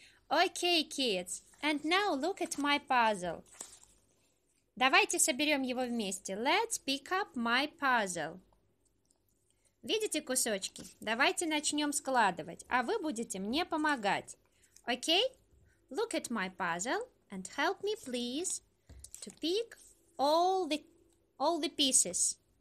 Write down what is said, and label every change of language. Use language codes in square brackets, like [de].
[en] Okay, kids, and now look at my puzzle. [ru] Давайте соберем его вместе. [en] Let's pick up my puzzle. [ru] Видите кусочки? Давайте начнем складывать, а вы будете мне помогать. [en] Okay? Look at my puzzle and help me, please, to pick all the pieces.